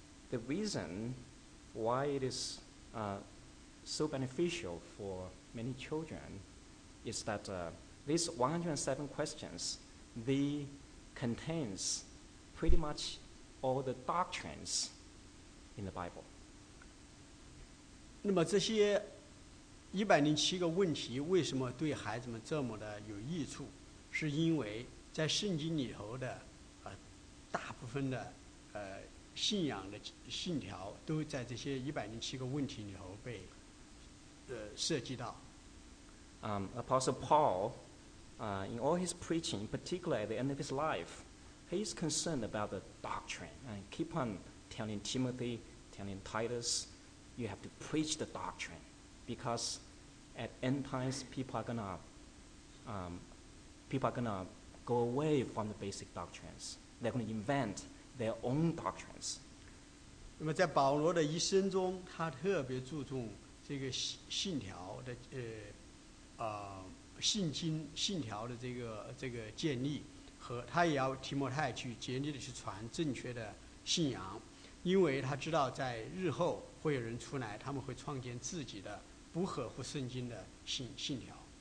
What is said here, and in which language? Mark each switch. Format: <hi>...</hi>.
<en>The reason why it is so beneficial for many children is that these 107 questions they contains. Pretty much all the doctrines in the Bible.</en> <zh>那么这些107个问题为什么对孩子们这么的有益处？是因为在圣经里头的大部分的信仰的信条都在这些107个问题里头被涉及到。</zh> <en>Apostle Paul, in all his preaching, particularly at the end of his life. He is concerned about the doctrine and keep on telling Timothy, telling Titus, you have to preach the doctrine because at end times people are gonna go away from the basic doctrines. They're gonna invent their own doctrines.</en> <zh>那么在保罗的一生中，他特别注重这个信条的信经信条的这个建立。和他也要提摩太去竭力的去传正确的信仰，因为他知道在日后会有人出来，他们会创建自己的不合乎圣经的信条。</zh>